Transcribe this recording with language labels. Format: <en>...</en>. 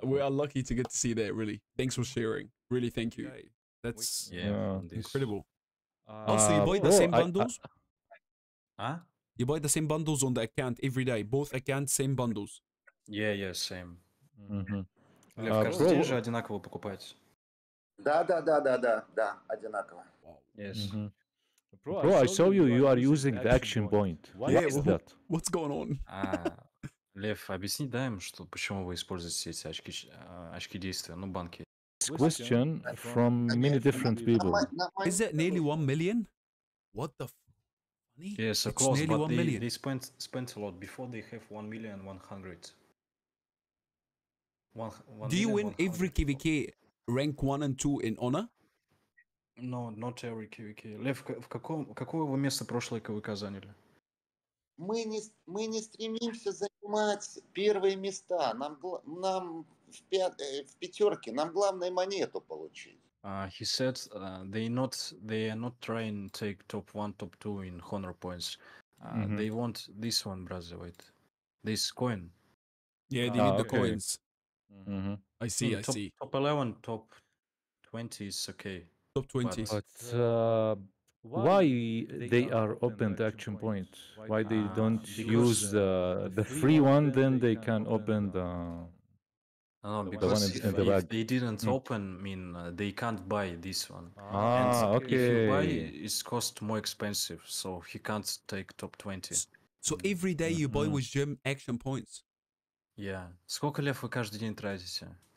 <en>We are lucky to get to see that, really. Thanks for sharing. Really, thank you. That's incredible. So you buy the same bundles? You buy the same bundles on the account every day? Both accounts, same bundles? Yeah, same. Mm-hmm.</en> <ru>Лев, кажется, здесь же одинаково покупать. Да, одинаково.</ru> <en>Yes. Mm-hmm. Bro, I saw you are using the action point. What is that? What's going on?</en> <ru>Лев, объясни, да, им, что почему вы используете эти очки действия, ну, банки.</ru> <en>This question from many different people. Is it nearly 1 million? What the funny? Yes, of course, but they spent a lot before they have 1,100,000. Do you win every KVK rank 1 and 2 in honor? No, not every KVK.</en> <ru>Лев, какое вы место прошлое КВК заняли? Мы не стремимся занимать первые места. Нам в пятерке, нам главное монету получить.</ru> <en>He said they are not trying to take top 1, top 2 in honor points. Mm-hmm. They want this one, brother, wait. This coin. Yeah, they need the coins. Mm-hmm. I see. Top 11, top 20 is okay. Top 20. But why they are open the action points? Why they don't use the free one, then they can open the one in the bag? If they didn't open, they can't buy this one. Okay. If you buy, it's cost more expensive, so he can't take top 20. So every day you buy with gem action points? Yeah.</en> <ru>Сколько, Лев, вы каждый день тратите?</ru>